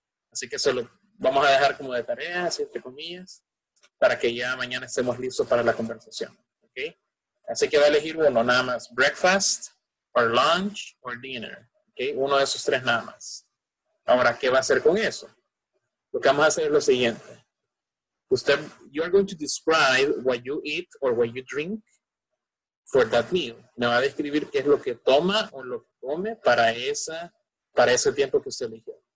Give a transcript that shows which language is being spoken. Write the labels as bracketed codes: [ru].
[es] Así que eso lo vamos a dejar como de tarea, entre comillas, para que ya mañana estemos listos para la conversación. Okay. Así que va a elegir uno, nada más. [en] Breakfast, or lunch, or dinner. Okay. [es] Uno de esos tres nada más. Ahora, ¿qué va a hacer con eso? Lo que vamos a hacer es lo siguiente. [en] Usted, you are going to describe what you eat or what you drink for that meal. [es] Me va a describir qué es lo que toma o lo que come para ese tiempo que usted eligió.